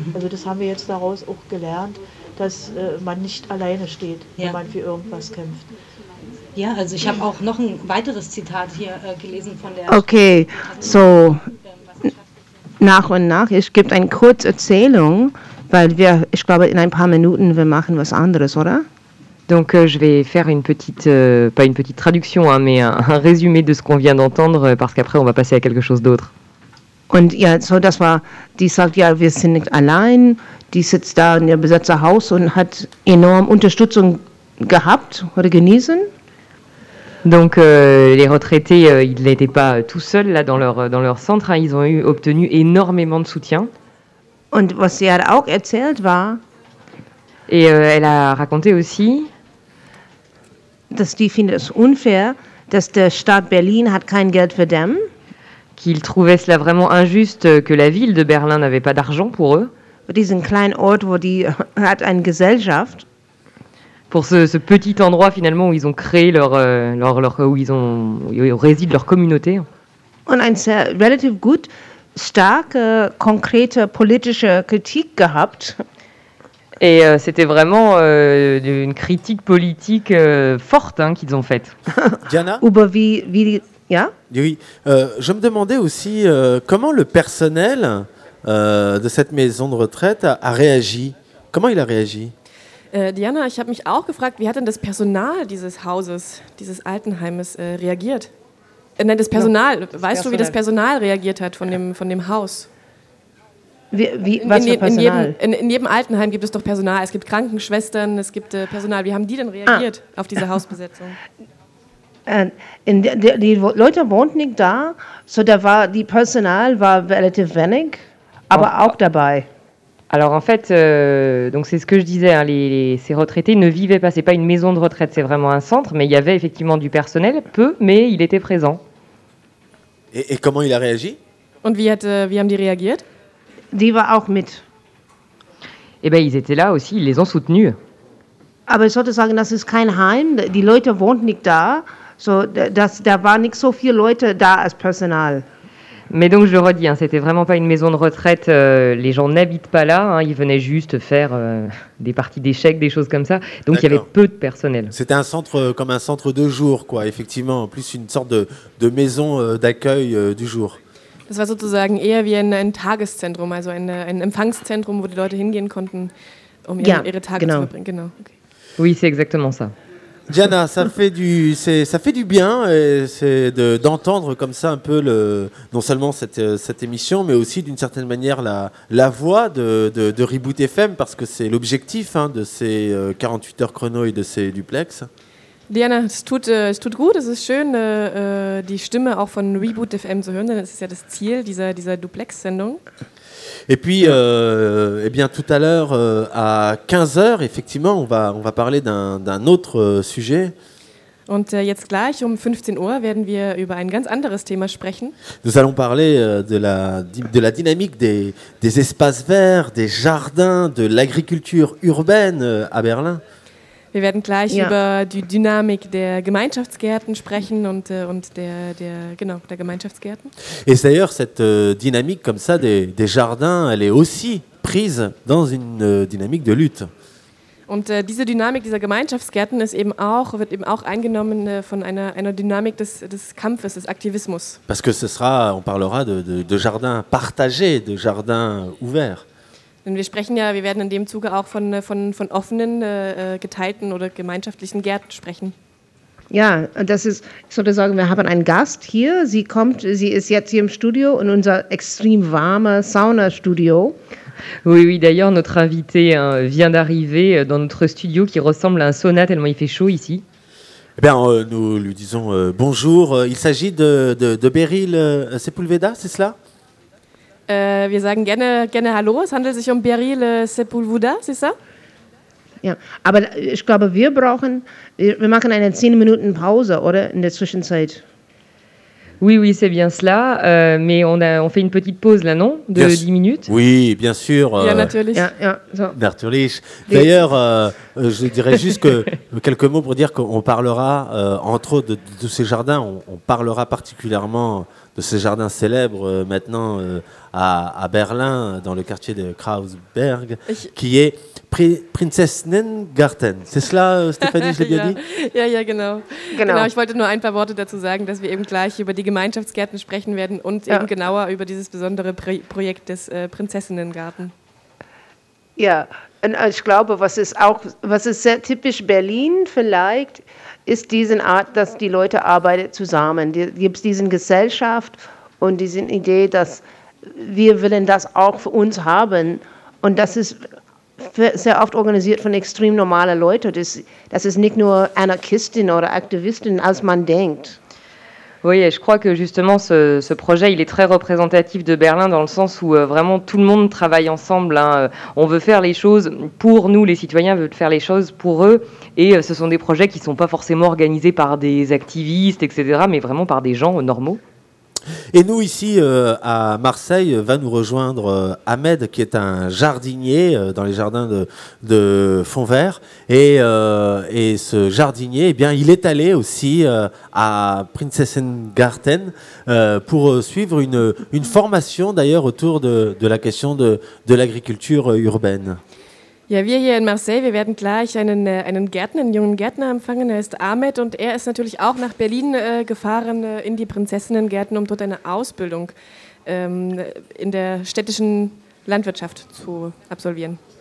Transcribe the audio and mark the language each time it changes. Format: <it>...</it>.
<de>Also das haben wir jetzt daraus auch gelernt, dass man nicht alleine steht, wenn man für irgendwas kämpft. Ja, also ich habe auch noch ein weiteres Zitat hier gelesen von der... Okay, so nach und nach. Es gibt eine Kurzerzählung, weil wir, ich glaube, in ein paar Minuten wir machen was anderes, oder?</de> <fr>Donc je vais faire une petite, pas une petite traduction, hein, mais un résumé de ce qu'on vient d'entendre, parce qu'après on va passer à quelque chose d'autre.</fr> <de>Und ja, so das war, die sagt ja, wir sind nicht allein, die sitzt da in ihr Besetzerhaus und hat enorm Unterstützung gehabt oder genießen.</de> <fr>Donc les retraités, ils n'étaient pas tout seuls là dans leur centre, hein, ils ont obtenu énormément de soutien.</fr> <de>Und was sie hat auch erzählt war,</de> <fr>et elle a raconté aussi</fr> <de>dass die finden es unfair, dass der Staat Berlin hat kein Geld für dem,</de> <fr>qu'il trouvait cela vraiment injuste que la ville de Berlin n'avait pas d'argent pour eux.</fr> <de>Diesen kleinen Ort, wo die hat eine Gesellschaft.</de> <fr>Pour ce petit endroit finalement où ils ont créé leur où ils ont résident leur communauté.</fr> <de>Und ein sehr relativ gut starke konkrete politische Kritik gehabt.</de> <fr>Et c'était vraiment une critique politique forte, hein, qu'ils ont faite. Diana?</fr> <de>Über wie Yeah.</de> <fr>Oui. Je me demandais aussi comment le personnel de cette maison de retraite a réagi. Comment il a réagi?</fr> <de>Diana, ich habe mich auch gefragt, wie hat denn das Personal dieses Hauses, dieses Altenheimes reagiert? Nein, das Personal. Ja, das weißt du, wie das Personal reagiert hat von dem Haus? Wie, was für Personal? In jedem Altenheim gibt es doch Personal. Es gibt Krankenschwestern, es gibt Personal. Wie haben die denn reagiert auf diese Hausbesetzung? Die Leute wohnten nicht da, so da war die Personal war relativ wenig, aber auch dabei.</de> <fr>Alors en fait, donc c'est ce que je disais, hein, ces retraités ne vivaient pas, c'est pas une maison de retraite, c'est vraiment un centre, mais il y avait effectivement du personnel, peu, mais il était présent. Et comment il a réagi?</fr> <de>Und wie haben die reagiert? Die war auch mit.</de> <fr>Eh bien, ils étaient là aussi, ils les ont soutenus.</fr> <de>Aber ich sollte sagen, das ist kein Heim, die Leute wohnt nicht da, so, da war nicht so viel Leute da als Personal.</de> <fr>Mais donc, je le redis, hein, c'était vraiment pas une maison de retraite. Les gens n'habitent pas là. Hein, ils venaient juste faire des parties d'échecs, des choses comme ça. Donc, il y avait peu de personnel. C'était un centre comme un centre de jour, quoi, effectivement. Plus une sorte de maison d'accueil du jour.</fr> <de>Das war sozusagen eher wie ein Tageszentrum, also ein Empfangszentrum, wo die Leute hingehen konnten, um ihre Tage zu verbringen. Genau.</de> <fr>Okay. Oui, c'est exactement ça. Diana, ça fait du bien et c'est d'entendre comme ça un peu non seulement cette émission, mais aussi d'une certaine manière la voix de Reboot FM, parce que c'est l'objectif hein, de ces 48 heures chrono et de ces duplex.</fr> <de>Diana, es tut gut, es ist schön, die Stimme auch von Reboot FM zu hören, denn es ist ja das Ziel dieser Duplex-Sendung.</de> <fr>Et puis, tout à l'heure, à 15h, effectivement, on va parler d'un autre sujet.</fr> <de>Und jetzt gleich um 15 Uhr werden wir über ein ganz anderes Thema sprechen.</de> <fr>Nous allons parler de la dynamique des espaces verts, des jardins, de l'agriculture urbaine à Berlin.</fr> <de>Wir werden gleich über die Dynamik der Gemeinschaftsgärten sprechen und der Gemeinschaftsgärten.</de> <fr>Et d'ailleurs cette dynamique comme ça des jardins, elle est aussi prise dans une dynamique de lutte.</fr> <de>Und diese Dynamik dieser Gemeinschaftsgärten wird eben auch eingenommen von einer Dynamik des Kampfes, des Aktivismus.</de> <fr>Parce que on parlera de jardins partagés, de jardins ouverts.</fr> <de>Denn wir sprechen ja, wir werden in dem Zuge auch von offenen, geteilten oder gemeinschaftlichen Gärten sprechen. Ja, das ist, ich sollte sagen, wir haben einen Gast hier. Sie kommt, sie ist jetzt hier im Studio in unser extrem warmes Sauna-Studio.</de> <fr>Oui, oui, d'ailleurs, notre invité hein, vient d'arriver dans notre studio qui ressemble à un sauna tellement il fait chaud ici. Eh bien, nous lui disons bonjour. Il s'agit de Beryl Sepulveda, c'est cela?</fr> <de>Wir sagen gerne hallo. Es handelt sich um Beryl Sepulveda,</de> <fr>c'est ça?</fr> <de>Ja, aber ich glaube, wir machen eine 10 Minuten Pause, oder? In der Zwischenzeit.</de> <fr>Oui, oui, c'est bien cela. Mais on fait une petite pause là, non? De 10 minutes? Oui, bien sûr.</fr> <de>Ja, natürlich. Ja, so. Natürlich.</de> <fr>D'ailleurs, je dirais juste que quelques mots pour dire qu'on parlera, entre autres, de ces jardins. On parlera particulièrement de ces jardins célèbres maintenant à Berlin, dans le quartier de Kreuzberg, qui est Prinzessinnengarten. C'est cela, Stéphanie, je l'ai bien dit?</fr> <de>Ja, ja, genau. Genau. Ich wollte nur ein paar Worte dazu sagen, dass wir eben gleich über die Gemeinschaftsgärten sprechen werden und eben genauer über dieses besondere Projekt des Prinzessinnengarten. Ja, und ich glaube, was ist sehr typisch Berlin vielleicht, ist diese Art, dass die Leute arbeiten zusammen. Gibt es diese Gesellschaft und diese Idee, dass wir wollen das auch für uns haben. Und das ist sehr oft organisiert von extrem normalen Leuten. Das ist nicht nur Anarchistin oder Aktivistin, als man denkt.</de> <fr>Oui, et je crois que justement ce projet, il est très représentatif de Berlin dans le sens où vraiment tout le monde travaille ensemble. Hein. On veut faire les choses pour nous, les citoyens veulent faire les choses pour eux. Et ce sont des projets qui ne sont pas forcément organisés par des activistes, etc., mais vraiment par des gens normaux. Et nous ici à Marseille, va nous rejoindre Ahmed qui est un jardinier dans les jardins de Fonds Verts. Et ce jardinier, eh bien, il est allé aussi à Prinzessinnengarten pour suivre une formation d'ailleurs autour de la question de l'agriculture urbaine.</fr> <de>Ja, wir hier in Marseille, wir werden gleich einen Gärtner, einen jungen Gärtner empfangen. Er ist Ahmed und er ist natürlich auch nach Berlin gefahren in die Prinzessinnengärten, um dort eine Ausbildung in der städtischen Landwirtschaft zu absolvieren.</de>